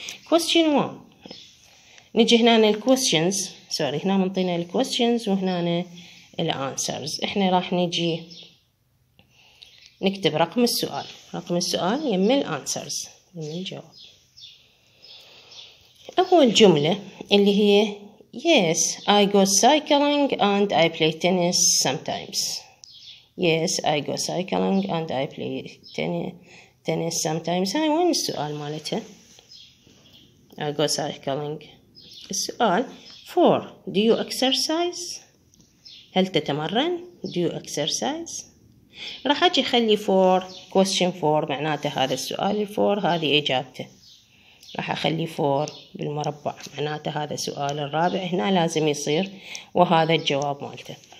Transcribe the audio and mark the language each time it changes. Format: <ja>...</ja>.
<en>Question 1.</en> <ar>نجي هنا الكويستشنز، سوري هنا منطينا الكويستشنز وهنا الانسرز. احنا راح نجي نكتب رقم السؤال، رقم السؤال يم الانسرز يم الجواب. اول جملة اللي هي</ar> <en>Yes I go cycling and I play tennis sometimes. Yes I go cycling and I play tennis sometimes.</en> <ar>هاي وين السؤال مالته؟</ar> <en>I go cycling.</en> <ar>السؤال 4.</ar> <en>Do you exercise?</en> <ar>هل تتمرن؟</ar> <en>Do you exercise?</en> <ar>راح أجي خلي 4</ar> <en>question 4</en> <ar>معناته هذا السؤال 4 هذه إجابته. راح أخلي 4 بالمربع معناته هذا سؤال الرابع هنا لازم يصير وهذا الجواب مالته.</ar>